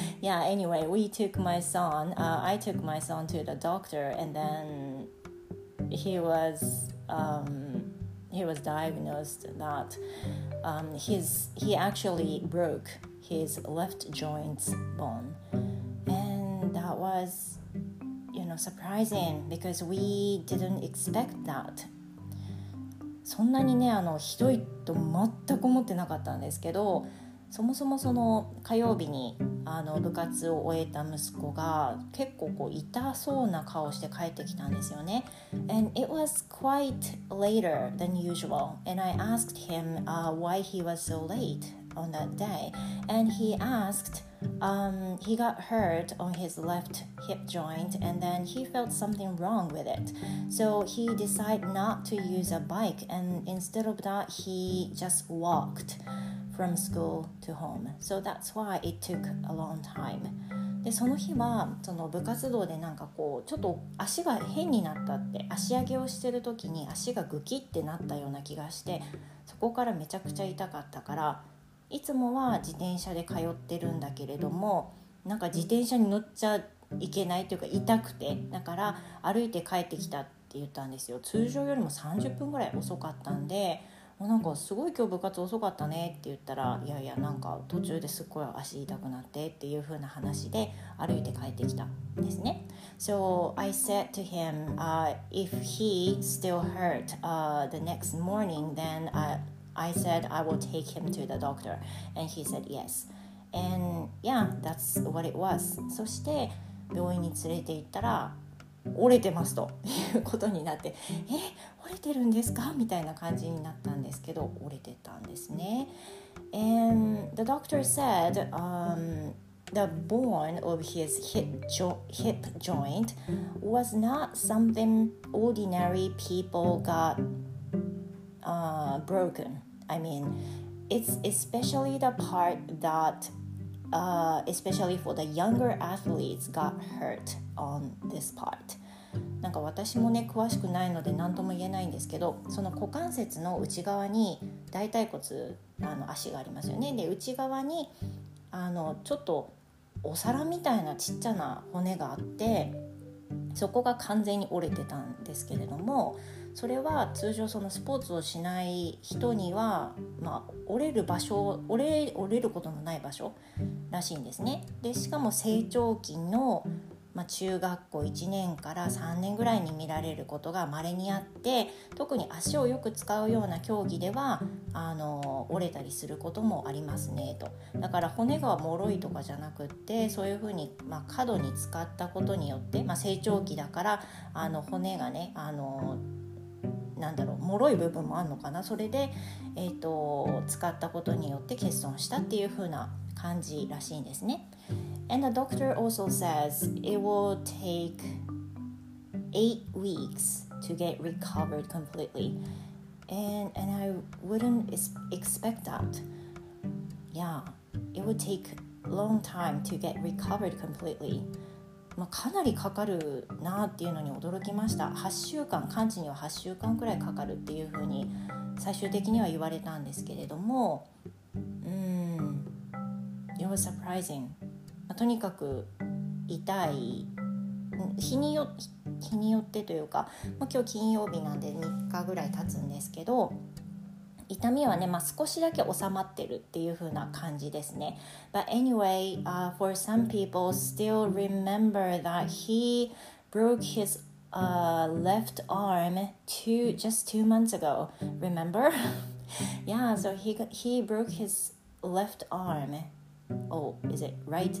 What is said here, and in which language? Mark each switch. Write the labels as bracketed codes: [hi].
[en] Yeah, anyway, I took my son to the doctor, and then he was diagnosed that he actually broke his left joint bone, and that was, you know, surprising because we didn't expect that. [ja] そんなにね、ひどいと全く思ってなかったんですけど、そもそもその火曜日に部活を終えた息子が結構こう痛そうな顔して帰ってきたんですよね。 [en] And it was quite later than usual. And I asked him why he was so late on that day. And he asked, he got hurt on his left hip joint and then he felt something wrong with it. So he decided not to use a bike and instead of that he just walked. From school to home. So that's why it took a long time. [ja] で、その日はその部活動でなんかこうちょっと足が変になったって、足上げをしてる時に足がぐきってなったような気がして、そこからめちゃくちゃ痛かったから、いつもは自転車で通ってるんだけれども、なんか自転車に乗っちゃいけないというか痛くて、だから歩いて帰ってきたって言ったんですよ。通常よりも30分ぐらい遅かったんで、なんかすごい今日部活遅かったねって言ったら、いやいや、なんか途中ですっごい足痛くなってっていう風な話で歩いて帰ってきたんですね。 [en] So I said to him, if he still hurt the next morning, then I said I will take him to the doctor. And he said yes. And yeah, that's what it was. [ja] そして病院に連れて行ったら折れてますということになって、折れてるんですかみたいな感じになったんですけど、折れてたんですね。 [en] And the doctor said the bone of his hip joint was not something ordinary people got broken. I mean, it's especially the part that especially for the younger athletes got hurt on this part. [ja] なんか私もね詳しくないので何とも言えないんですけど、その股関節の内側に大腿骨足がありますよね。で、内側にちょっとお皿みたいなちっちゃな骨があって、そこが完全に折れてたんですけれども、それは通常そのスポーツをしない人には、まあ、折れる場所、折れることのない場所らしいんですね。で、しかも成長期の中学校1年から3年ぐらいに見られることが稀にあって、特に足をよく使うような競技では折れたりすることもありますねと。だから骨が脆いとかじゃなくって、そういうふうに、過度に使ったことによって、成長期だから骨がね脆い部分もあるのかな、それで、使ったことによって欠損したっていうふうな感じらしいんですね。 [en] And the doctor also says it will take 8 weeks to get recovered completely. And I wouldn't expect that. Yeah, it would take a long time to get recovered completely. [ja] かなりかかるなっていうのに驚きました。完治には8週間くらいかかるっていうふうに最終的には言われたんですけれども、 [en] It was surprising. [ja] とにかく痛い、日によってというか、今日金曜日なんで3日ぐらい経つんですけど、痛みはね、少しだけ収まってるっていう風な感じですね。 [en] But anyway, for some people still remember that he broke his left arm just two months ago, remember? Yeah, so he broke his left armOh, is it right?